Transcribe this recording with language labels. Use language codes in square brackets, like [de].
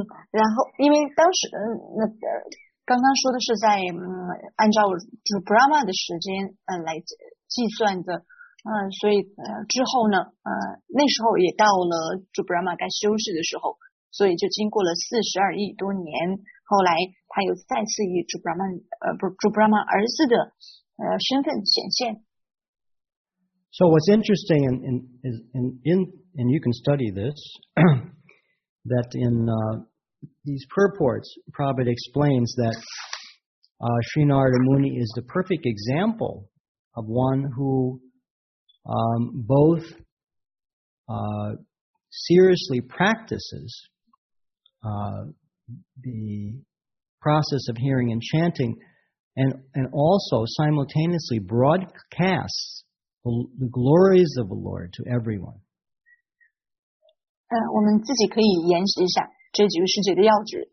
[zh] 然后因为当时那个刚刚说的是在按照就是 Brahma 的时间来计算的，所以之后呢，那时候也到了就 Brahma 该休息的时候，所以就经过了42亿多年。后来他又再次以朱布拉曼儿子的身份显现。 [en] So what's interesting and you can study this that in these purports Prabhupada explains that Sri Narada Muni is the perfect example of one who both seriously practices the process of hearing and chanting, and also simultaneously broadcasts the glories of the Lord to everyone. [zh] 我们自己可以研习一下这几个世界的要旨。